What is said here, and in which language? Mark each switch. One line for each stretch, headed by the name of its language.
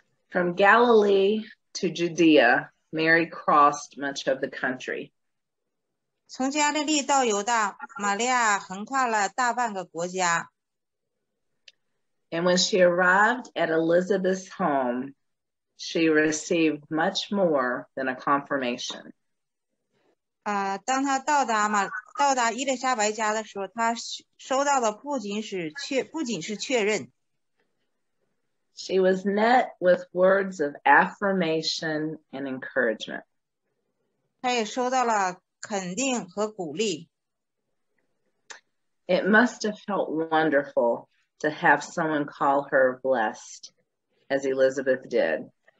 English: From Galilee to Judea, Mary crossed much of the country.
Chinese: 从加利利到犹大，玛利亚横跨了大半个国家。
English: And when she arrived at Elizabeth's home, she received much more than a confirmation.
Chinese: 当她到达伊丽莎白家的时候，她收到的不仅是确认。
English: She was met with words of affirmation and encouragement.
Chinese: 她也收到了肯定和鼓励。
English: It must have felt wonderful to have someone call her blessed, as Elizabeth did.